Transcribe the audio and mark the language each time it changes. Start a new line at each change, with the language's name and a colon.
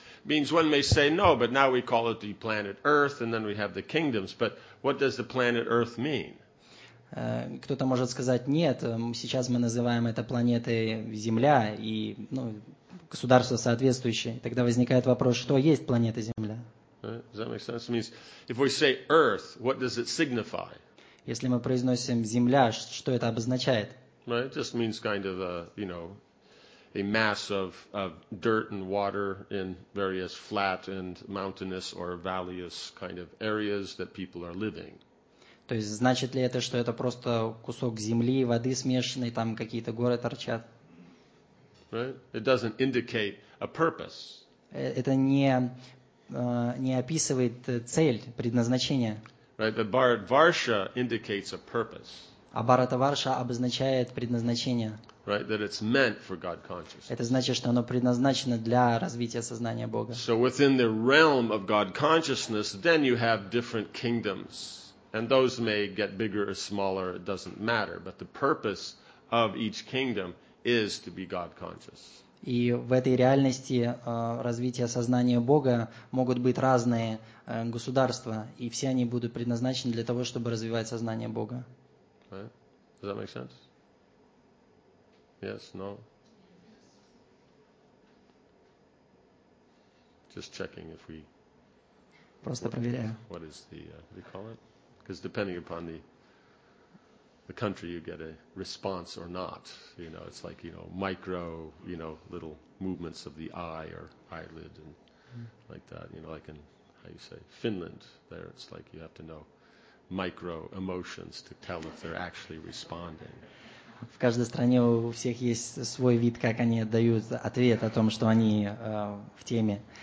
English: means one may say, no, but now we call it the planet Earth, and then we have the kingdoms. But what does the planet Earth mean?
Russian: Кто-то может сказать, нет, сейчас мы называем это планетой Земля, и ну, государство соответствующее. Тогда возникает вопрос, что есть планета Земля?
English: Does that make sense? It means, if we say Earth, what does it signify?
Russian: Если мы произносим Земля, что это обозначает?
English: Right? It just means kind of a, you know, a mass of dirt and water in various flat and mountainous or valleyous kind of areas that people are living.
Russian: То есть значит ли это, что это просто кусок земли, воды смешанной, там какие-то горы торчат?
English: Right? It doesn't indicate a purpose.
Russian: Это не описывает цель, предназначение.
English: Right, but Bharatvarsha indicates a purpose.
Russian: А Бхаратварша обозначает предназначение.
English: Right, that it's meant for God consciousness.
Russian: Это значит, что оно предназначено для развития сознания Бога.
English: So within the realm of God consciousness, then you have different kingdoms. And those may get bigger or smaller, it doesn't matter. But the purpose of each kingdom is to be God conscious.
Russian: И в этой реальности развития сознания Бога могут быть разные государства, и все они будут предназначены для того, чтобы развивать сознание Бога.
English: Right. Does that make sense? Yes, no? Just checking if we...
Russian: Просто проверяю.
English: What is the, what do you call it? Because depending upon the country, you get a response or not. You know, it's like, you know, micro, you know, little movements of the eye or eyelid and like that. You know, like in, how you say, Finland, there it's like you have to know micro emotions to tell if they're actually responding.
Russian: В каждой стране у всех есть свой вид, как они дают ответ о том, что они в теме.